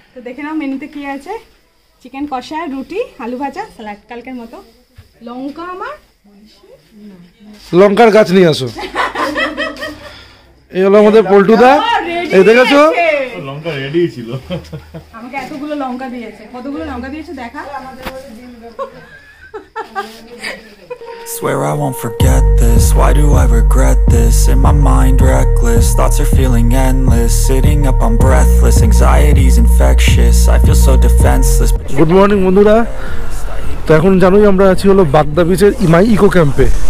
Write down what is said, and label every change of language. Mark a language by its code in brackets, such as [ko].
[bn] তো দেখে নাও মেনুতে কি আছে। চিকেন কষা, রুটি, আলু ভাজা, স্যালাড কালকের মতো, লঙ্কা, আমার লঙ্কার গাছ নিয়ে আসো। এই হলো আমাদের পল্টুদা, এই দেখেছো লঙ্কা রেডি ছিল। আমাকে এতগুলো লঙ্কা দিয়েছে, কতগুলো লঙ্কা দিয়েছো দেখা। [en] Swear I won't forget this, why do I regret this? In my mind reckless, thoughts are feeling endless. Sitting up I'm breathless, anxiety's infectious. I feel so defenseless. [bn] Good morning বন্ধুরা, তো এখন জানোই আমরা আছি হলো বাগদা বিচের ইমাই ইকো ক্যাম্পে।